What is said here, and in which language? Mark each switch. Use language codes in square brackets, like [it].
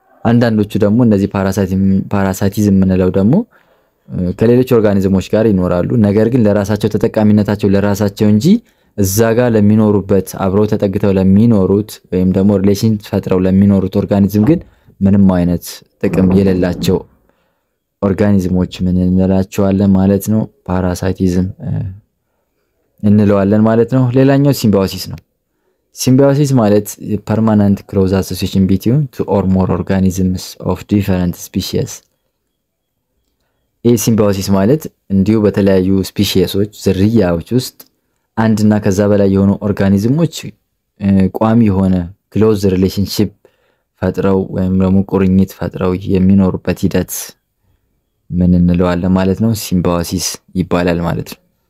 [am] አንዳንዶቹ ደግሞ እነዚህ ፓራሳይቲዝም የምንለው ደግሞ ከሌሎች ኦርጋኒዝሞች ጋር ይኖራሉ፣ ነገር ግን ለራሳቸው ተጠቃሚነታቸው ለራሳቸው እንጂ እዛ ጋር ለሚኖሩበት አብረው ተጠግተው ለሚኖሩት ወይም ደግሞ ሪሌሽን ፈጥረው ለሚኖሩት ኦርጋኒዝም ግን ምንም አይነት ጥቅም የሌላቸው ኦርጋኒዝሞች ምን እንላቸዋለን ማለት ነው? ፓራሳይቲዝም እንለዋለን ማለት ነው። ሌላኛው ሲምባዮሲስ ነው። [en] Symbiosis ማለት permanent close association between two or more organisms of different species. [am] ይህ ሲምባዮሲስ ማለት እንዲሁ በተለያዩ ስፒሺየሶች ዝርያዎች ውስጥ አንድና ከዛ በላይ የሆኑ ኦርጋኒዝሞች ቋሚ የሆነ ክሎዝ ሪሌሽንሺፕ ፈጥረው ወይም ደግሞ ቁርኝት ፈጥረው የሚኖሩበት ሂደት ምን እንለዋለን ማለት ነው? ሲምባዮሲስ ይባላል ማለት ነው።